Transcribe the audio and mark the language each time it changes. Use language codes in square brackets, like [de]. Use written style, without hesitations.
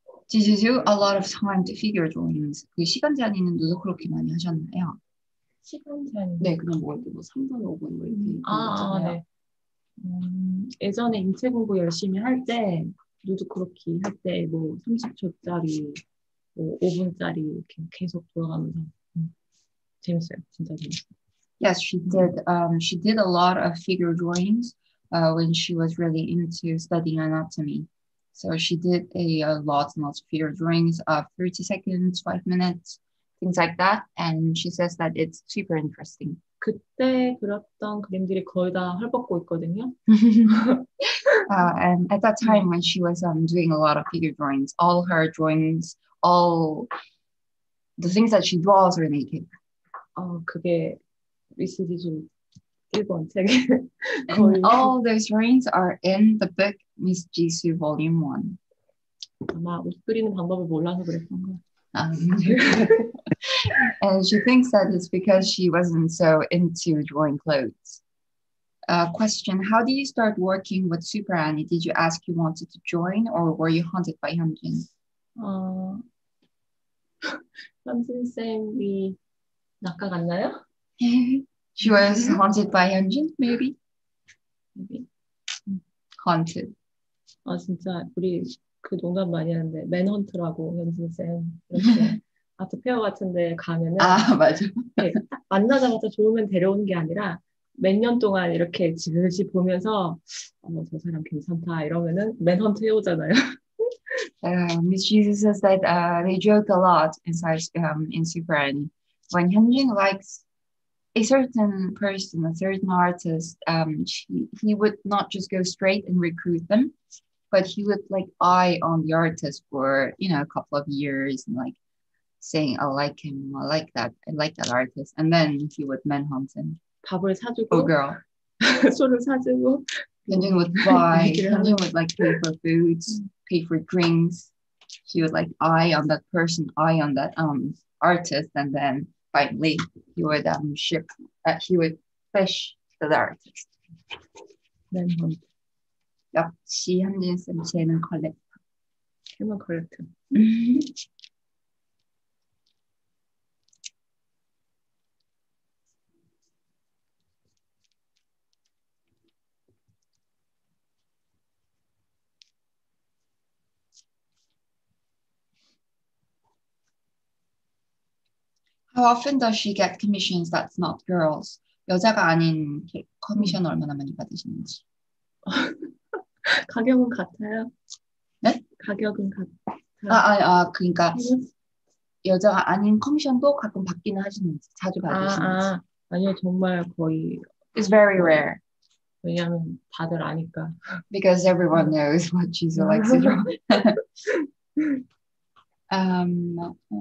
[en] Did you do a lot of time to figure drawings? [ko] 그 시간 제한 있는 누도 그렇게 많이 하셨나요? 시간 제한. 네, 그냥 뭐 3분, 5분 뭐 이렇게. 네. 예전에 인체 공부 열심히 할 때 누드 크로키 할 때 뭐 30초짜리 뭐 5분짜리 이렇게 계속 돌아가면서 재밌어요. 진짜 재밌어요. [en] Yes, she did. She did a lot of figure drawings when she was really into studying anatomy. So she did a lot and lots of figure drawings of 30 seconds, 5 minutes. Things like that, and she says that it's super interesting. [ko] 그때 그렸던 그림들이 거의 다 헐벗고 있거든요. [en] And at that time, when she was doing a lot of figure drawings, all her drawings, all the things that she draws are naked. [ko] 그게 미스디즈 1번 책에. [en] And all those drawings are in the book Miss Jisoo Volume 1. [ko] 아마 옷 그리는 방법을 몰라서 그랬던 거. [en] And she thinks that it's because she wasn't so into drawing clothes. Question, how did you start working with Super Annie? Did you ask you wanted to join or were you hunted by Hyunjin? [ko] 현진쌤이 낚아갔나요? [en] She was hunted by Hyunjin, maybe? Maybe. Hunted. [ko] 진짜 우리 그 농담 많이 하는데 맨헌트라고 현진쌤 아트 페어 같은데 가면은 맞아 네, 만나자마자 좋으면 데려오는 게 아니라 몇 년 동안 이렇게 지그시 보면서 저 사람 괜찮다 이러면은 맨헌트 해오잖아요. [en] Miss Jesus says that they joke a lot inside in Super Annie. When Hyunjin likes a certain person, a certain artist, he would not just go straight and recruit them. But he would like eye on the artist for, you know, a couple of years and like saying, I like him, I like that artist. And then he would manhunt him. [ko] 밥을 사주고. [en] Oh, girl. [ko] 술을 사주고. [en] Hyunjin would buy, Hyunjin would like pay for foods, pay for drinks. He would like eye on that person, eye on that artist. And then finally, he would he would fish for the artist. Manhunt. [ko] 역시 현진쌤 재능 컬렉터. 재능 컬렉터. [en] 'How often does she get commissions that's not girls?' [ko] 여자가 아닌 커미션 얼마나 많이 받으시는지. 가격은 같아요. 네? 가격은 같아요. 그러니까 여자가 아닌 커미션도 가끔 받기는 하시는지 자주 받으시는지. 아니요, 정말 거의. [en] It's very rare. [ko] 왜냐하면 다들 아니까. [en] Because everyone knows what she's like to draw. Um,